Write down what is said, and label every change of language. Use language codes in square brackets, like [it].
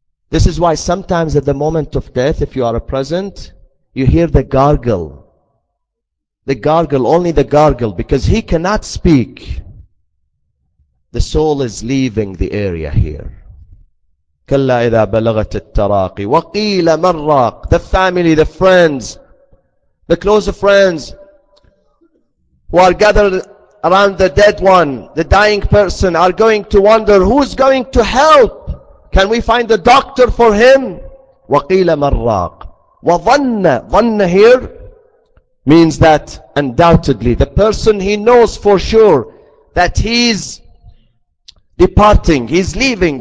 [en] This is why sometimes at the moment of death, if you are a present, you hear the gargle. The gargle, only the gargle, because he cannot speak. The soul is leaving the area here. [ar] كلا إذا بلغت التراقي وقيل من راق. [en] The family, the friends, the close friends who are gathered around the dead one, the dying person, are going to wonder, who's going to help? Can we find a doctor for him? [ar] وَقِيلَ مَرَّاق وَظَنَّ ظَنَّ [en] here means that undoubtedly, the person, he knows for sure that he's departing, he's leaving.